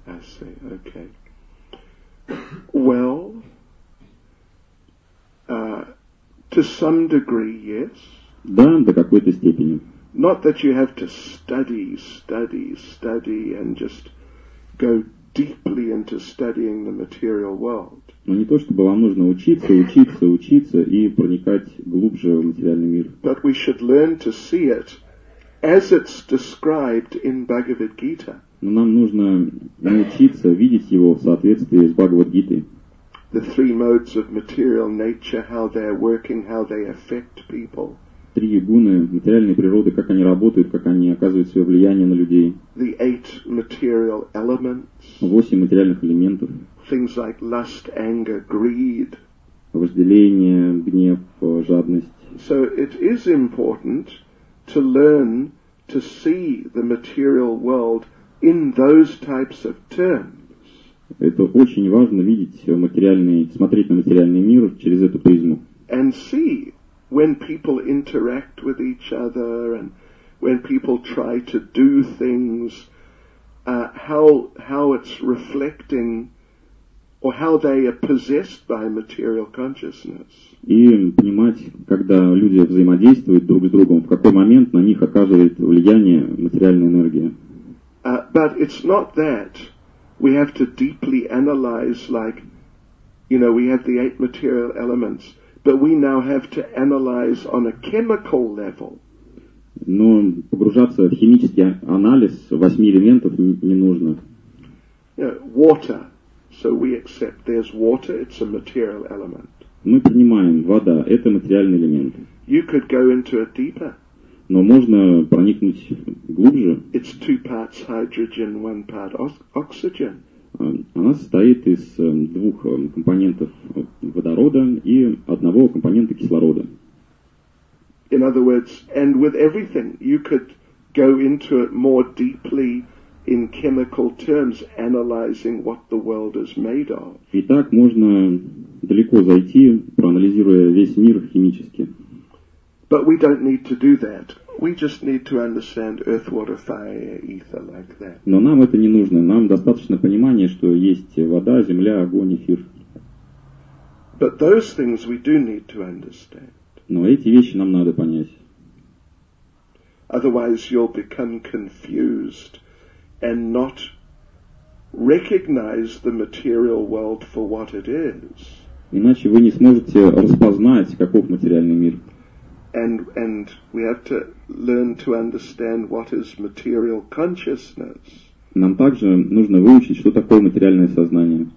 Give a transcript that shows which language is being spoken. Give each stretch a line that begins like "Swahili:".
English: I see, okay. Well, to some degree, yes.
Russian: Да, до какой-то степени.
English: Not that you have to study and just go deeply into studying the material world.
Russian: Но не то, чтобы вам нужно учиться и проникать глубже в материальный мир.
English: But we should learn to see it as it's described in Bhagavad Gita.
Russian: Но нам нужно научиться видеть его в соответствии с Бхагавад-гитой.
English: The three modes of material nature, how they're working, how they affect people.
Russian: Три гуны материальной природы, как они работают, как они оказывают свое влияние на людей.
English: The eight material elements.
Russian: Восемь материальных элементов.
English: Things like lust, anger, greed.
Russian: Вожделение, гнев, жадность.
English: So it is important to learn to see the material world in those types of terms.
Russian: Это очень важно видеть материальный, смотреть на материальный мир через эту призму.
English: And see when people interact with each other and when people try to do things, how it's reflecting or how they are possessed by material consciousness.
Russian: И понимать, когда люди взаимодействуют друг с другом, в какой момент на них оказывает влияние материальная энергия.
English: But it's not that we have to deeply analyze, like, you know, we have the eight material elements, but we now have to analyze on a chemical level.
Russian: Но погружаться в химический анализ восьми элементов не нужно.
English: You know, water. So we accept there's water, it's a material element.
Russian: Мы принимаем, вода – это материальный элемент.
English: You could go into it deeper.
Russian: Но можно проникнуть глубже.
English: It's two parts hydrogen, one part oxygen.
Russian: Она состоит из двух компонентов водорода и одного компонента кислорода.
English: In other words, and with everything, you could go into it more deeply in chemical terms, analyzing what the world is made of.
Russian: Итак, можно далеко зайти, проанализируя весь мир химически.
English: But we don't need to do that. We just need to understand earth, water, fire, ether like that.
Russian: Но нам это не нужно. Нам достаточно понимания, что есть вода, земля, огонь, эфир.
English: But those things we do need to understand.
Russian: Но эти вещи нам надо понять.
English: Otherwise you'll become confused and not recognize the material world for what it is.
Russian: Иначе вы не сможете распознать, каков материальный мир.
English: And we have to learn to understand what is material consciousness.
Russian: Нам также нужно выучить, что такое материальное сознание.